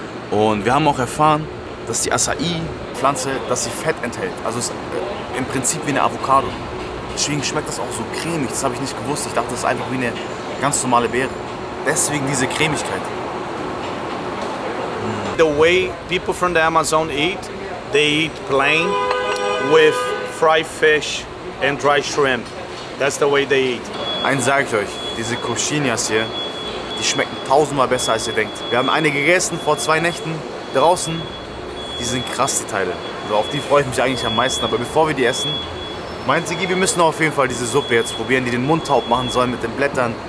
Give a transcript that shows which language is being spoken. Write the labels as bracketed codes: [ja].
[de] Und wir haben auch erfahren, dass die Açaí-Pflanze, dass sie Fett enthält. Also es ist im Prinzip wie eine Avocado. Deswegen schmeckt das auch so cremig, das habe ich nicht gewusst. Ich dachte, das ist einfach wie eine ganz normale Beere. Deswegen diese Cremigkeit. [en] The way people from the Amazon eat, they eat plain with fried fish and dry shrimp. That's the way they eat. [de] Eins sage ich euch, diese Coxinhas hier, die schmecken tausendmal besser als ihr denkt. Wir haben eine gegessen vor zwei Nächten draußen. Die sind krass, die Teile. Also auf die freue ich mich eigentlich am meisten. Aber bevor wir die essen, meint sie, wir müssen auf jeden Fall diese Suppe jetzt probieren, die den Mund taub machen soll mit den Blättern.